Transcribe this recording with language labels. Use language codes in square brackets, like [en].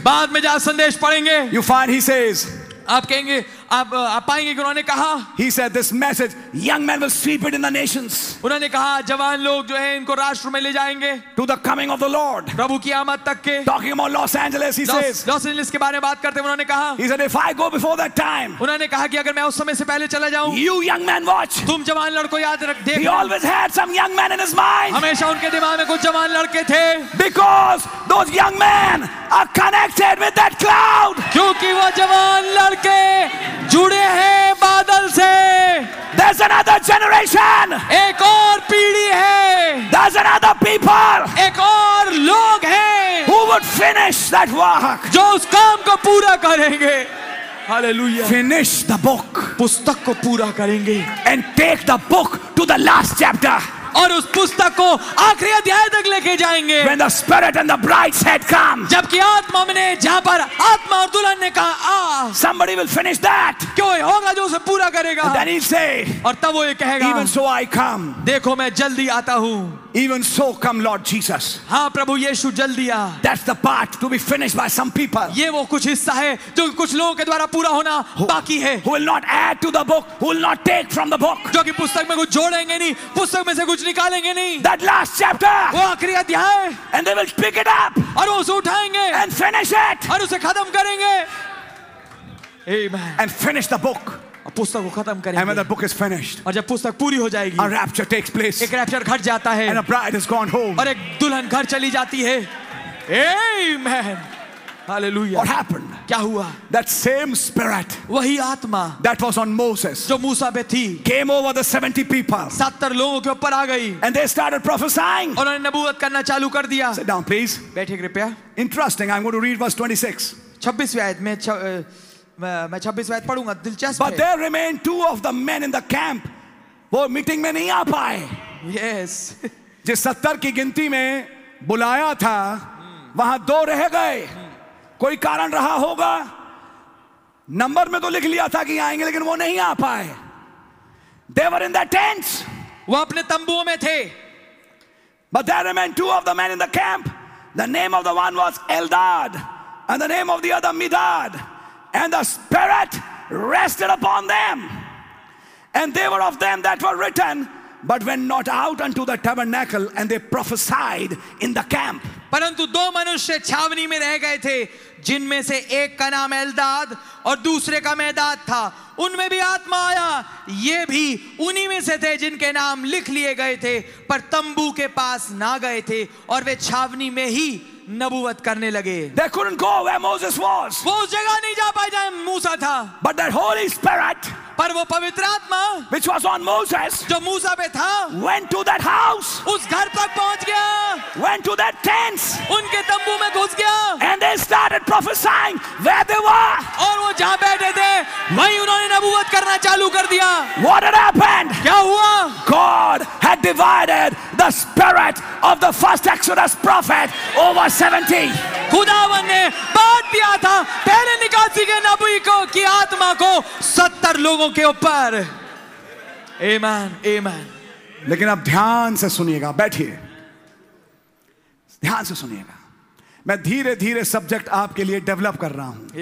[hi] बाद में जा संदेश पढ़ेंगे, [en] you find he says, [hi] आप कहेंगे, आप पाएंगे कि उन्होंने कहा, [en] he said this message, young men will sweep it in the nations. [hi] उन्होंने कहा, जवान लोग जो हैं इनको राष्ट्र में ले जाएंगे. [en] To the coming of the Lord, [hi] प्रभु की आमद तक के. [en] Talking about Los Angeles, he says, [hi] Los Angeles के बारे में बात करते हैं. उन्होंने कहा, [en] he said if I go before that time, [hi] उन्होंने कहा कि अगर मैं उस समय से पहले चला जाऊं, [en] you young man watch, [hi] तुम जवान लड़कों याद रख, देख. [en] He always had some young man in his mind, [hi] हमेशा उनके दिमाग में कुछ जवान लड़के थे. [en] Because those young men are connected with that cloud, [hi] क्योंकि वो जवान लड़के जुड़े हैं बादल से. [en] There's another generation. [hi] एक और पीढ़ी है. [en] There's another people. [hi] एक और लोग हैं. [en] Who would finish that work? [hi] जो उस काम को पूरा करेंगे. Hallelujah. [en] Finish the book. [hi] पुस्तक को पूरा करेंगे. [en] And take the book to the last chapter. [hi] और उस पुस्तक को आखिरी अध्याय तक लेके जाएंगे. [en] When the spirit and the bride said come, [hi] जबकि आत्मा ने, जहां पर आत्मा और दुल्हन ने कहा आ, [en] somebody will finish that, [hi] कोई होगा जो उसे पूरा करेगा. [en] Then he'll say, [hi] और तब वो ये कहेगा, [en] even so I come, [hi] देखो मैं जल्दी आता हूँ. [en] Even so come Lord Jesus. [hi] हाँ प्रभु यीशु जल्दी आ. [en] That's the part to be finished by some people. [hi] ये वो कुछ हिस्सा है जो कुछ लोगों के द्वारा पूरा होना बाकी है. [en] Who will not add to the book, who will not take from the book. [hi] जो कि पुस्तक में कुछ जोड़ेंगे नहीं, पुस्तक में से कुछ निकालेंगे नहीं. [en] That last chapter. [hi] वो आखिरी अध्याय. [en] And they will pick it up. [hi] और उसे उठाएंगे. [en] And finish it. [hi] और उसे खत्म करेंगे. Amen. [en] And finish the book. [hi] पुस्तक को खत्म करेंगे. [en] And when the book is finished, [hi] और जब पुस्तक पूरी हो जाएगी, [en] a rapture takes place, [hi] एक रैप्चर घट जाता है, [en] and a bride is gone home, [hi] और एक दुल्हन घर चली जाती है. [en] Amen. Hallelujah. What happened? [hi] क्या हुआ? [en] That same spirit, [hi] वही आत्मा, [en] that was on Moses, [hi] जो मूसा पे थी, [en] came over the 70 people, [hi] 70 लोगों के ऊपर आ गई, [en] and they started prophesying, [hi] और उन्होंने नबूवत करना चालू कर दिया. [en] Sit down, please. [hi] बैठे कृपया. [en] Interesting. I'm going to read verse 26. [hi] 26वीं आयत में मैं 26 वायद पढ़ूंगा, दिलचस्प. [en] But there remained two of the men in the camp, [hi] वो मीटिंग में नहीं आ पाए. [en] Yes. [hi] जिस 70 की गिनती में बुलाया था, वहां दो रह गए. कोई कारण रहा होगा. नंबर में तो लिख लिया था कि आएंगे, लेकिन वो नहीं आ पाए. [en] They were in their tents. [hi] वो अपने तंबुओं में थे. [en] But there remained two of the men in the camp. The name of the one was Eldad, and the name of the other Medad. And the spirit rested upon them, and they were of them that were written, but went not out unto the tabernacle, and they prophesied in the camp. [hi] परंतु दो मनुष्य छावनी में रह गए थे, जिनमें से एक का नाम एलदाद और दूसरे का मेदाद था. उनमें भी आत्मा आया, ये भी उन्हीं में से थे जिनके नाम लिख लिए गए थे, पर तंबू के पास ना गए थे और वे छावनी में ही नबुवत करने लगे. [en] They couldn't go where Moses was. [hi] वो उस जगह नहीं जा पाए जहां मूसा था. [en] But that Holy Spirit, [hi] पर वो पवित्र आत्मा, [en] which was on Moses, [hi] जो मूसा पे था, [en] went to that house, [hi] उस घर तक पहुंच गया, [en] went to that tents, [hi] उनके तंबू में घुस गया, [en] and they started prophesying where they were, [hi] और वो जहां बैठे थे वहीं उन्होंने नबुवत करना चालू कर दिया. [en] What had happened? [hi] क्या हुआ? [en] God had divided the spirit of the first Exodus prophet over 70. [hi] खुदावन ने बांट दिया था पहले निकासी के नबी को की आत्मा को 70 लोगों के ऊपर. आमीन, आमीन. लेकिन अब ध्यान से सुनिएगा, बैठिए, ध्यान से सुनिएगा. मैं धीरे धीरे सब्जेक्ट आपके लिए डेवलप कर रहा हूं.